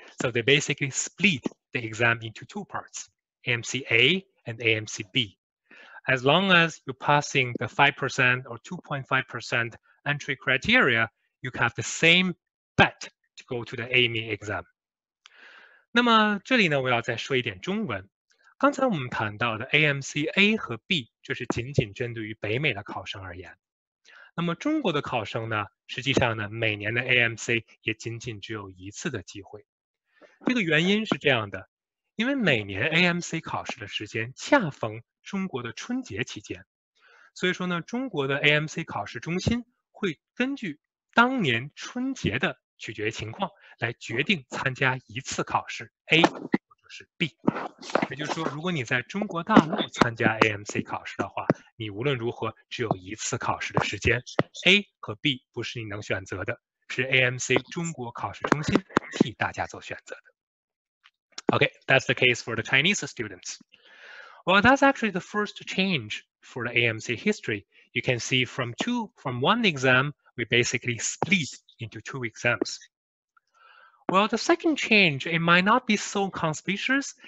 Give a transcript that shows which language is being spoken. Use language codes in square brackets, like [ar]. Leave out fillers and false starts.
[en] So they basically split the exam into two parts, AMC A and AMC B. As long as you're passing the 5% or 2.5% entry criteria, you have the same bet to go to the AME exam. [zh] 那么这里呢，我要再说一点中文。刚才我们谈到的AMC-A和B 就是仅仅针对于北美的考生而言。那么中国的考生呢，实际上呢，每年的AMC也仅仅只有一次的机会。这个原因是这样的，因为每年AMC考试的时间恰逢中国的春节期间，所以说呢，中国的AMC考试中心会根据当年春节的取决情况来决定参加一次考试A或者是B。也就是说，如果你在中国大陆参加AMC考试的话，你无论如何只有一次考试的时间，A和B不是你能选择的，是AMC中国考试中心替大家做选择的。 [en] Okay, that's the case for the Chinese students. Well, that's actually the first change for the AMC history. You can see from one exam, we basically split into two exams. Well, the second change, it might not be so conspicuous.